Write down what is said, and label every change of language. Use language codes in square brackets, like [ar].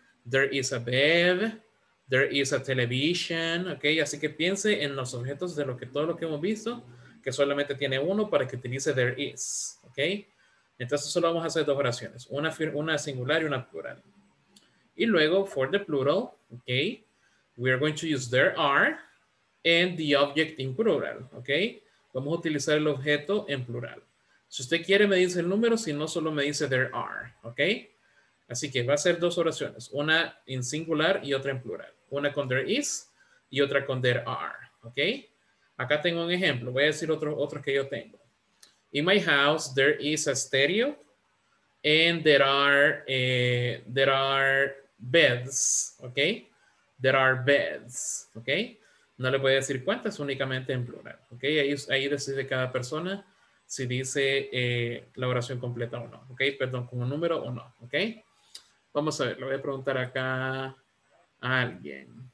[en] There is a bed, there is a television, ¿ok? [es] Así que piense en los objetos de lo que, todo lo que hemos visto, que solamente tiene uno para que utilice there is, ¿ok? Entonces solo vamos a hacer dos oraciones, una singular y una plural. Y luego, [en] for the plural, ¿ok? We are going to use there are and the object in plural, ¿ok? [es] Vamos a utilizar el objeto en plural. Si usted quiere, me dice el número, si no, solo me dice there are, ¿ok? Así que va a ser dos oraciones, una en singular y otra en plural. Una con there is y otra con there are, ¿ok? Acá tengo un ejemplo, voy a decir otro que yo tengo. [en] In my house, there is a stereo and there are beds, ¿ok? There are beds, ¿ok? [es] No le voy a decir cuántas, únicamente en plural, ¿ok? Ahí decide cada persona si dice la oración completa o no, ¿ok? Perdón, con un número o no, ¿ok? Vamos a ver, le voy a preguntar acá a alguien.